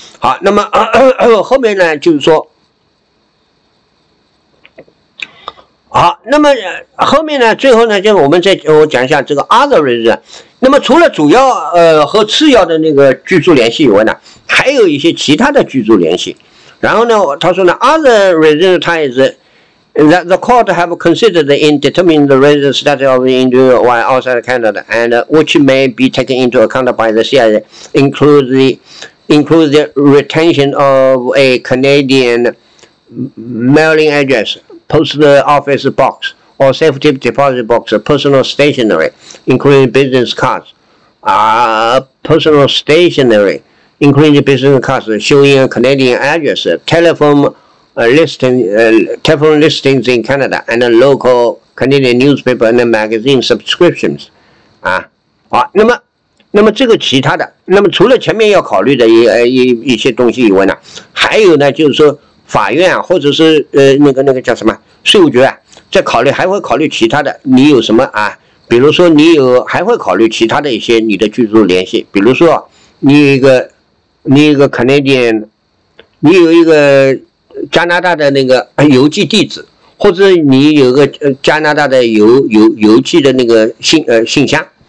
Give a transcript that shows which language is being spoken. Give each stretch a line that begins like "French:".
Chinese: 好，那么后面呢就是说，好，那么后面呢，最后呢，就我们再我讲一下这个 other reason。那么除了主要和次要的那个居住联系以外呢，还有一些其他的居住联系。然后呢他说呢
English: other reasons ties that the court have considered in determining the resident status of an individual while outside Canada and which may be taken into account by the CIA include the retention of a Canadian mailing address, post office box,or safety deposit box, personal stationery, including business cards, personal stationery, including business cards, showing a Canadian address, telephone listings in Canada, and a local Canadian newspaper and magazine subscriptions.
Chinese: 啊，好，那么这个其他的，那么除了前面要考虑的一些东西以外呢，还有呢，就是说法院啊，或者是那个叫什么税务局啊，在考虑还会考虑其他的，你有什么啊？比如说你有还会考虑其他的一些你的居住联系，比如说你有一个 Canadian， 你有一个加拿大的那个邮寄地址，或者你有个加拿大的邮寄的那个信箱。